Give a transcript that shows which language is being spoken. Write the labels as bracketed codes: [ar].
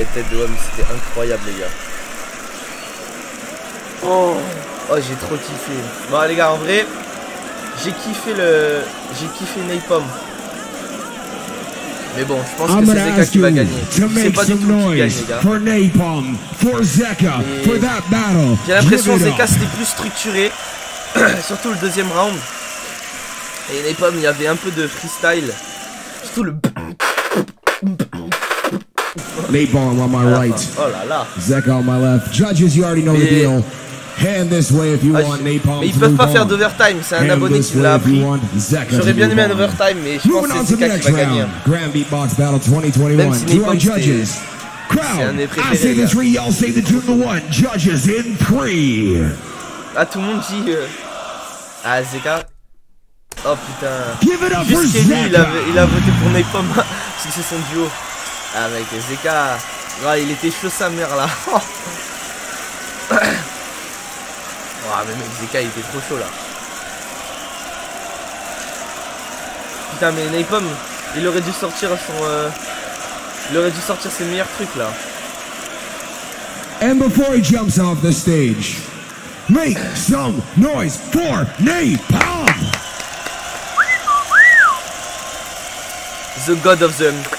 [fr] Et tête de homme, c'était incroyable les gars. Oh. Oh, j'ai trop kiffé. Bon les gars, en vrai, j'ai kiffé Napalm. Mais bon, je pense que c'est Zeka qui va gagner. C'est pas du tout lui qui gagne, les gars. [en] For Napalm, for Zeka, for that battle. [fr] J'ai l'impression que Zeka c'était plus structuré, surtout le deuxième round. Et Napalm, il y avait un peu de freestyle. Surtout le... [en] Napalm on my right. [fr] Oh là là. [en] Zeka on my left. Judges, you already know the deal. Hand this way if you want Napalm. [fr] Mais ils peuvent pas faire d'overtime, c'est un abonné qui l'a appris. J'aurais bien aimé un overtime, mais je pense que c'est Zeka qui va gagner. [en] Grand Beatbox Battle 2021. Judges. Crowd. I say the three, y'all say the two and the one. Judges in three. [fr] Ah, tout le monde dit. Ah, Zeka. Oh putain. [en] Give it up for Zeka. [fr] Il a voté pour Napalm. Parce que c'est son duo. Avec Zeka. Ouais, il était chaud sa mère là. Oh, mais mec, Zeka il était trop chaud là. Putain, mais Napalm, il aurait dû sortir son. Il aurait dû sortir ses meilleurs trucs là. [en] And before he jumps off the stage, make some noise for Napalm! The God of them.